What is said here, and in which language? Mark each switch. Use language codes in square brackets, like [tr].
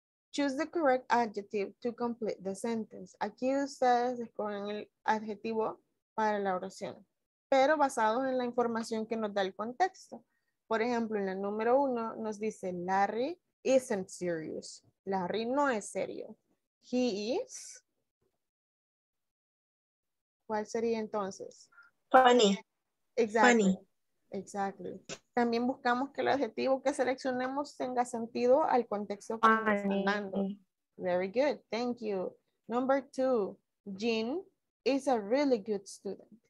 [en] Choose the correct adjective to complete the sentence. [es] Aquí ustedes escogen el adjetivo para la oración, pero basados en la información que nos da el contexto. Por ejemplo, en la número uno nos dice [en] Larry isn't serious. [es] Larry no es serio. [en] He is... [es] ¿Cuál sería entonces? [en] Funny. Exactly. Funny. Exactly. [es] También buscamos que el adjetivo que seleccionemos tenga sentido al contexto que estamos hablando. [en] Very good. Thank you. Number two, Jean is a really good student.